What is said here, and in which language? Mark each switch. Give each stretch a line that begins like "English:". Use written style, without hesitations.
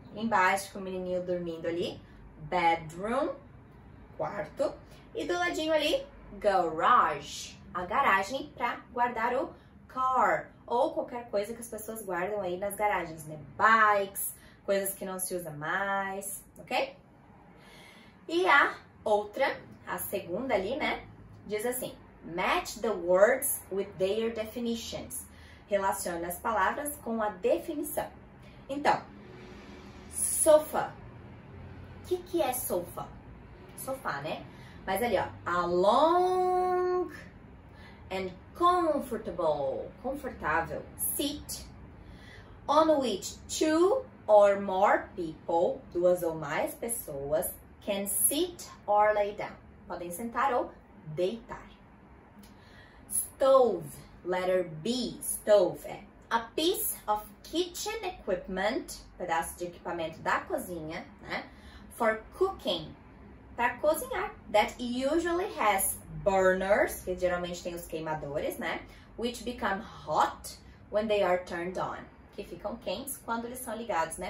Portuguese: Embaixo, com o menininho dormindo ali, bedroom, quarto. E do ladinho ali, garage, a garagem para guardar o car ou qualquer coisa que as pessoas guardam aí nas garagens, né? Bikes, coisas que não se usa mais, ok? E a outra, a segunda ali, né? Diz assim,
English: match the words with their definitions.
Portuguese: Relaciona as palavras com a definição. Então, sofa. O que é sofa? Sofá, né? Mas ali, ó,
English: a long and comfortable,
Portuguese: confortável,
English: seat on which two or more people,
Portuguese: duas ou mais pessoas,
English: can sit or lay down.
Portuguese: Podem sentar ou deitar.
English: Stove, letter B, stove,
Portuguese: é
English: a piece of kitchen equipment,
Portuguese: pedaço de equipamento da cozinha, né,
English: for cooking.
Portuguese: Para cozinhar,
English: that usually has burners,
Portuguese: que geralmente tem os queimadores, né?
English: Which become hot when they are turned on.
Portuguese: Que ficam quentes quando eles são ligados, né?